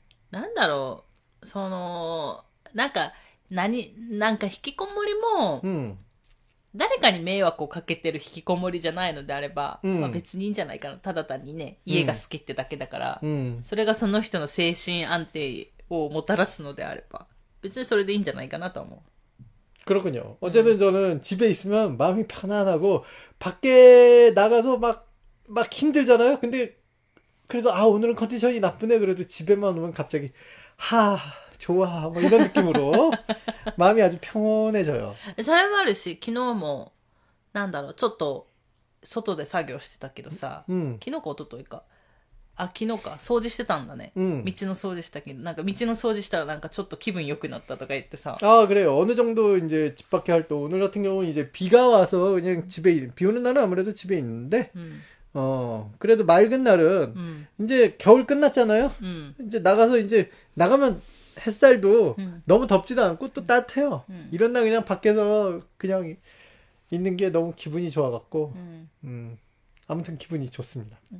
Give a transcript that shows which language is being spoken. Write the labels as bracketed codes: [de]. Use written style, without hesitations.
[ja] なんだろう、その、なんか、何、なんか引きこもりも、誰かに迷惑をかけてる引きこもりじゃないのであれば、まあ、別にいいんじゃないかな。ただ単にね、家が好きってだけだから、それがその人の精神安定をもたらすのであれば、別にそれでいいんじゃないかなと思う。 [ko] 그렇군요。 어쨌든저는집에있으면마음이편안하고、밖에나가서막힘들잖아요근데、그래서、아、오늘은컨디션이나쁘네。 그래도집에만오면갑자기、하、좋아뭐이런느낌으로 마음이아주평온해져요 [ja] それもあるし昨日もなんだろうちょっと外で作業してたけどさ、昨日か一昨日かあ昨日か掃除してたんだね、道の掃除したけどなんか道の掃除したらなんかちょっと気分良くなったとか言ってさ [ko] あ그래요어느정도이제집밖에할때오늘같은경우는이제비가와서그냥집에비오는날은아무래도집에있는데그래도맑은날은이제겨울끝났잖아요이제나가서이제나가면햇살도너무덥지도않고또따뜻해요이런날그냥밖에서그냥있는게너무기분이좋아갖고아무튼기분이좋습니다